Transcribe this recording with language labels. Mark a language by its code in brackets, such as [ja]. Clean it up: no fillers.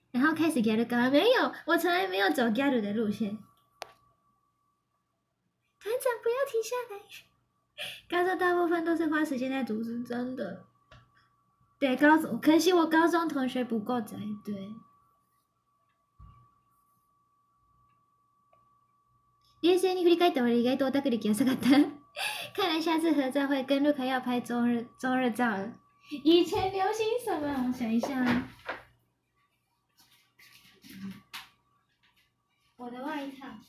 [zh] 然后开始 get 高，没有，我从来没有走 get 的路线。团长，不要停下来！高中大部分都是花时间在读书，真的。对，高中，可惜我高中同学不够宅，对。 [ja] 冷静に振り返った俺意外とオタク歴浅かった。 [zh] 看来下次合照会跟 Luca 要拍中日照了。以前流行什么？我想一下啊。我的外套。